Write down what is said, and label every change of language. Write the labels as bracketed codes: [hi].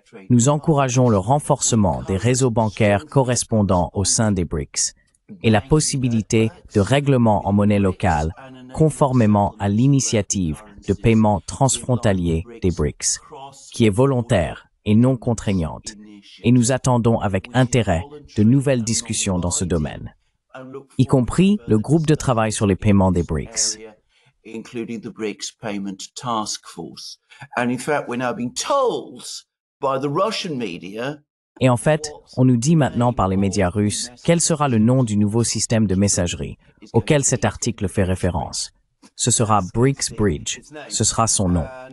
[fr] Nous encourageons le renforcement des réseaux bancaires correspondants au sein des BRICS et la possibilité de règlements en monnaie locale conformément à l'initiative de paiement transfrontalier des BRICS, qui est volontaire et non contraignante. Et nous attendons avec intérêt de nouvelles discussions dans ce domaine, y compris le groupe de travail sur les paiements des BRICS. [en] Including the BRICS Payment Task Force. And in fact, we're now being told by the Russian media. [fr] Et en fait, on nous dit maintenant par les médias russes quel sera le nom du nouveau système de messagerie auquel cet article fait référence. ce sera BRICS Bridge. Ce sera son nom.